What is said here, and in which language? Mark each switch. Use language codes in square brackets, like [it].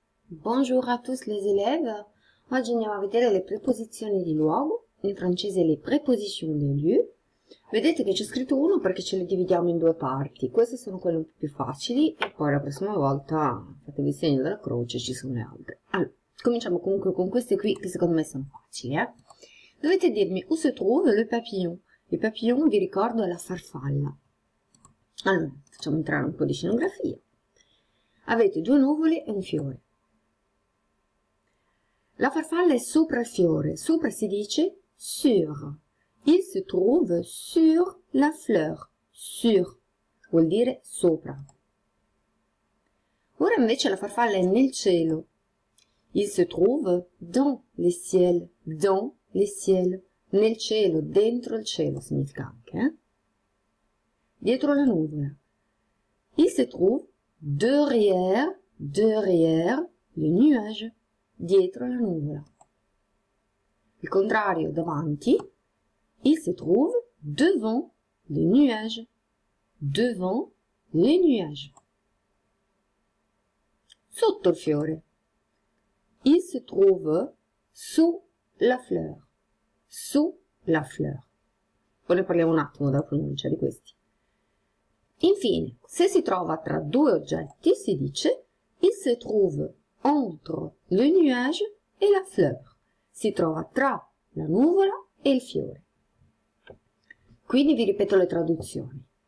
[fr] Bonjour à tous les élèves. [it] Oggi andiamo a vedere le preposizioni di luogo, in francese [fr] le prepositions de lieu. [it] Vedete che c'è scritto uno perché ce le dividiamo in due parti. Queste sono quelle un po' più facili e poi la prossima volta fatevi il segno della croce, ci sono le altre. Allora, cominciamo comunque con queste qui che secondo me sono facili, eh? Dovete dirmi [fr] où se trouve le papillon. [it] Il papillon, vi ricordo, è la farfalla. Allora, facciamo entrare un po' di scenografia. Avete due nuvole e un fiore. La farfalla è sopra il fiore, sopra si dice sur. [fr] Il se trouve sur la fleur. [it] Sur vuol dire sopra. Ora invece la farfalla è nel cielo. [fr] Il se trouve dans le ciel, [it] nel cielo, dentro il cielo significa anche, eh? Dietro la nuvola. [fr] Il se trouve derrière le nuage. [it] Dietro la nuvola. Il contrario, davanti. [fr] Il se trouve devant le nuage. Devant le nuage. [it] Sotto il fiore. [fr] Il se trouve sous la fleur. Sous la fleur. [it] Poi ne parliamo un attimo della pronuncia di questi. Infine, se si trova tra due oggetti, si dice [fr] il se trouve entre le nuage et la fleur. [it] Si trova tra la nuvola e il fiore. Quindi vi ripeto le traduzioni.